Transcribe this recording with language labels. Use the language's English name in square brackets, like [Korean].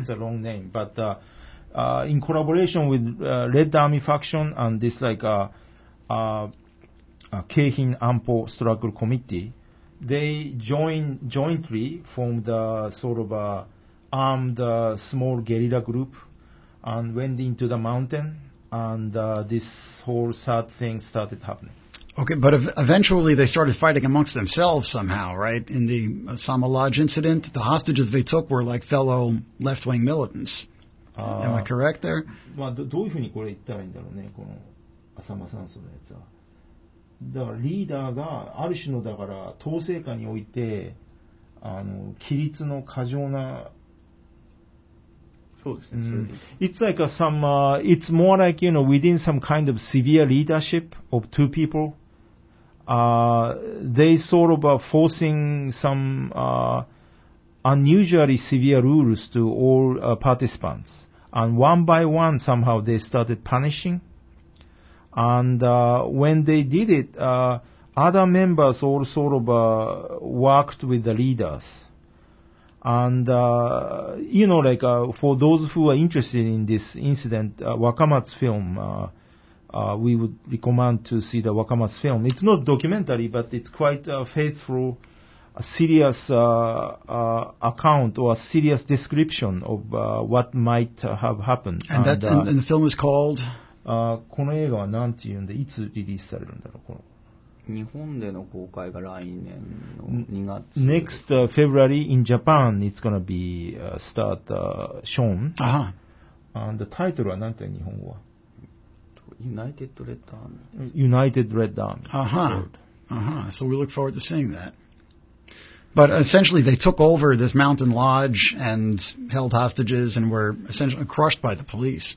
[English] It's a long name, but in collaboration with Red Army Faction and this like Keihin Anpo Struggle Committee, they jointly formed a sort of a armed small guerrilla group and went into the mountain, and this whole sad thing started happening. Okay, but eventually they started fighting amongst themselves somehow, right? In the Asama Lodge incident, the hostages they took were like fellow left-wing militants. Am I correct there? [Japanese] まあ、どういうふうにこれ言ったらいいんだろうね、この浅間山荘のやつは。だからリーダーがある種のだから統制下において、あの規律の過剰な、そうですね。 [English] It's like some, it's more like, you know, within some kind of severe leadership of two people, they sort of are forcing some, unusually severe rules to all participants. And one by one, somehow, they started punishing. And when they did it, other members all sort of worked with the leaders. And, you know, like for those who are interested in this incident, Wakamatsu film, we would recommend to see the Wakamatsu film. It's not documentary, but it's quite faithful. A serious account or a serious description of what might have happened. And that's and, in the film is called? [Japanese] この映画はなんて言うんで、いつリリースされるんだろう、この。日本での公開が来年の2月。 [English] Next February in Japan, it's going to be start shown. Aha. And the title [Japanese] はなんて言うん、日本語は。 [English] United Red Army. United Red Army. Aha. Aha. So we look forward to seeing that. But essentially, they took over this mountain lodge and held hostages and were essentially crushed by the police.